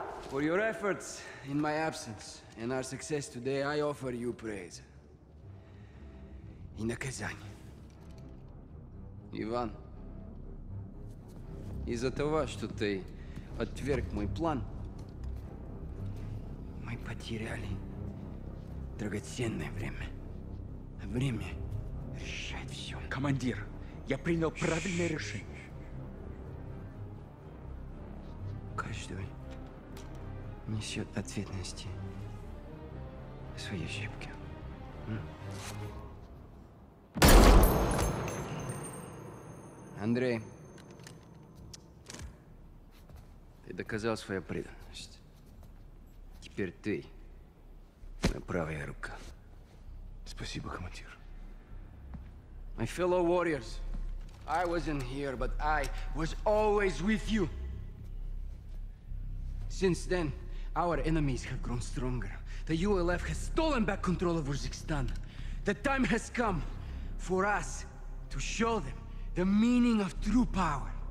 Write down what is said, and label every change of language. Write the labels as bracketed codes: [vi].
[en] For your efforts in my absence and our success today, I offer you praise. In the Kazan. [ru] Иван. Из-за того, что ты отверг мой план, мы потеряли драгоценное время. Время решать все. Командир, я принял правильное решение. Каждый несет ответственности за свои ошибки. Андрей, ты доказал свою преданность. Теперь ты моя правая рука. Спасибо, командир. [en] My fellow warriors, I wasn't here, but I was always with you. Since then, our enemies have grown stronger. The ULF has stolen back control of Uzbekistan. The time has come for us to show them the meaning of true power.